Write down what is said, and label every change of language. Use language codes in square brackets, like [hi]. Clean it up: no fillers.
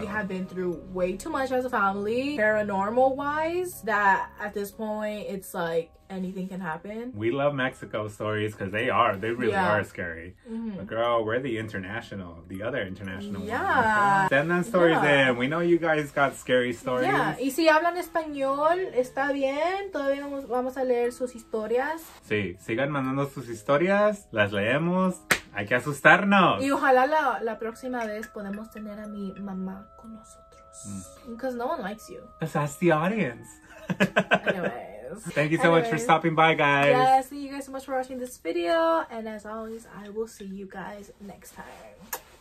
[en] We have been through way too much as a family, paranormal wise, that at this point it's like anything can happen. We love Mexico stories because they really are scary. Mm-hmm. But girl, we're the other international ones. Send them stories in. We know you guys got scary stories. Yeah, [es] y si hablan español, está bien. Todavía vamos a leer sus historias. Sí, sigan mandando sus historias. Las leemos. Hay que asustarnos. Y ojalá la próxima vez podemos tener a mi mamá con nosotros. [en] Because no one likes you. Because that's the audience. Anyway. Thank you so much for stopping by, guys. Yeah, thank you guys so much for watching this video. And as always, I will see you guys next time.